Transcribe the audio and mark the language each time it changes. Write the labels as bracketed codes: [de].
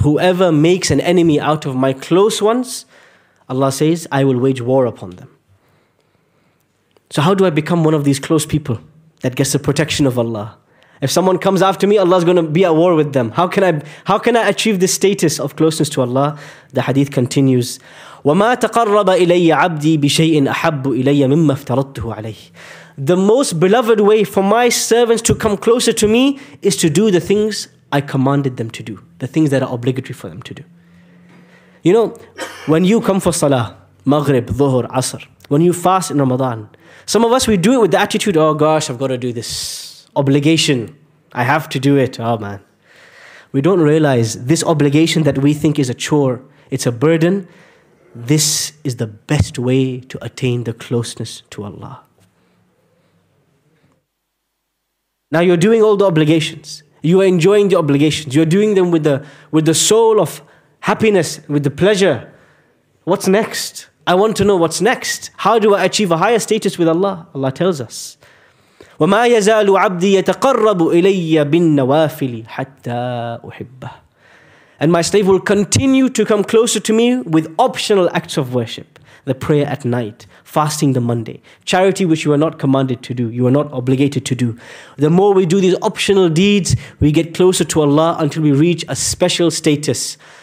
[en] Whoever makes an enemy out of my close ones, Allah says, I will wage war upon them. So how do I become one of these close people that gets the protection of Allah? If someone comes after me, Allah is going to be at war with them. How can I achieve this status of closeness to Allah? The hadith continues, [ar] وَمَا تَقَرَّبَ إِلَيَّ عَبْدِي بِشَيْءٍ أَحَبُّ إِلَيَّ مِمَّا افْتَرَضْتُهُ عَلَيْهِ. [en] The most beloved way for my servants to come closer to me is to do the things I commanded them to do, the things that are obligatory for them to do. You know, when you come for salah, maghrib, dhuhr, asr, when you fast in Ramadan, some of us, we do it with the attitude, oh gosh, I've got to do this. Obligation. I have to do it. Oh man. We don't realize this obligation that we think is a chore, it's a burden. This is the best way to attain the closeness to Allah. Now you're doing all the obligations. You are enjoying the obligations. You're doing them with the soul of happiness, with the pleasure. What's next? I want to know what's next. How do I achieve a higher status with Allah? Allah tells us, [ar] وَمَا يَزَالُ عَبْدِي يَتَقَرَّبُ إِلَيَّ بِالنَّوَافِلِ حَتَّى أُحِبَّهُ. [en] And my slave will continue to come closer to me with optional acts of worship. The prayer at night, fasting the Monday, charity which you are not commanded to do, you are not obligated to do. The more we do these optional deeds, we get closer to Allah until we reach a special status.